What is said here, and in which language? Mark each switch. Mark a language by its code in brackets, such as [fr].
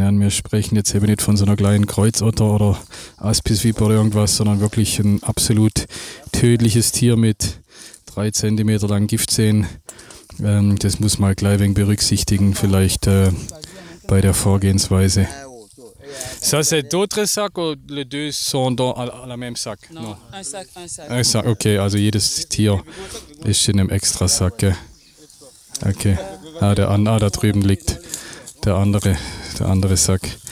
[de] Ja, wir sprechen jetzt eben nicht von so einer kleinen Kreuzotter oder Aspisviper oder irgendwas, sondern wirklich ein absolut tödliches Tier mit 3 Zentimeter langen Giftzähnen. Das muss man gleich wegen berücksichtigen, vielleicht bei der Vorgehensweise. [fr] Ça c'est d'autres sacs oder les deux sont dans la même sac? Non, [de] ein Sack. Okay, also jedes Tier ist in einem extra Sack. Okay. Ah, da drüben liegt der andere Sack.